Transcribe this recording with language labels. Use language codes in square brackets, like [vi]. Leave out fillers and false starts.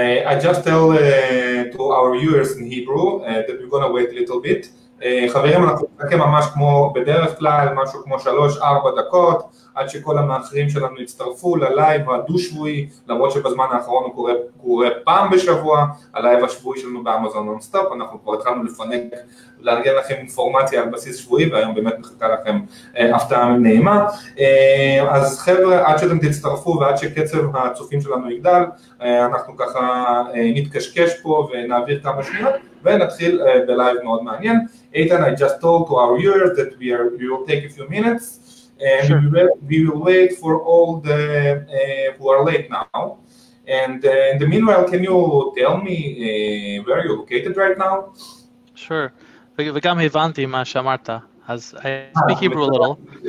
[en] I just tell to our viewers in Hebrew that we're going to wait a little bit. [he] חברים, אנחנו נחכה ממש כמו בדרך כלל, משהו כמו 3-4 דקות, עד שכל המאחרים שלנו יצטרפו ללייב הדו-שבועי, למרות שבזמן האחרון הוא קורה פעם בשבוע, הלייב השבועי שלנו באמזון נונסטופ, אנחנו כבר התחלנו לפנק, לארגן לכם אינפורמציה על בסיס שבועי, והיום באמת מחכה לכם הפתעה נעימה. אז חבר'ה, עד שאתם תצטרפו ועד שקצב הצופים שלנו יגדל, אנחנו ככה נתקשקש פה ונעביר כמה שניות, ונתחיל בלייב מאוד מעניין. [en] Eytan, I just told to our viewers that we will take a few minutes, and sure. we will wait for all the who are late now. And in the meanwhile, can you tell me where you're located right now? Sure. [he] וגם הבנתי מה שאמרת, אז [en] I speak Hebrew a little.